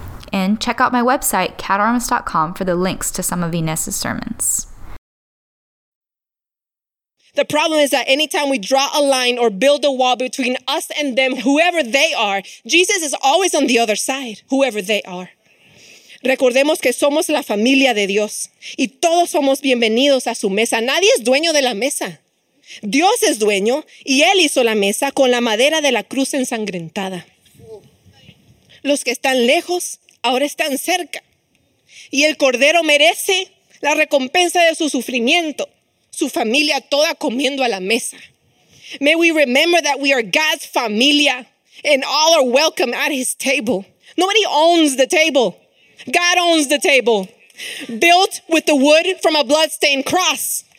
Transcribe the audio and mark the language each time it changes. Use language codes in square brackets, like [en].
[en] And check out my website, catarms.com, for the links to some of Ines's sermons. The problem is that anytime we draw a line or build a wall between us and them, whoever they are, Jesus is always on the other side, whoever they are. [es] Recordemos que somos la familia de Dios, y todos somos bienvenidos a su mesa. Nadie es dueño de la mesa. Dios es dueño, y Él hizo la mesa con la madera de la cruz ensangrentada. Los que están lejos, ahora están cerca. Y el Cordero merece la recompensa de su sufrimiento, su familia toda comiendo a la mesa. [en] May we remember that we are God's familia, and all are welcome at His table. Nobody owns the table. God owns the table. Built with the wood from a bloodstained cross.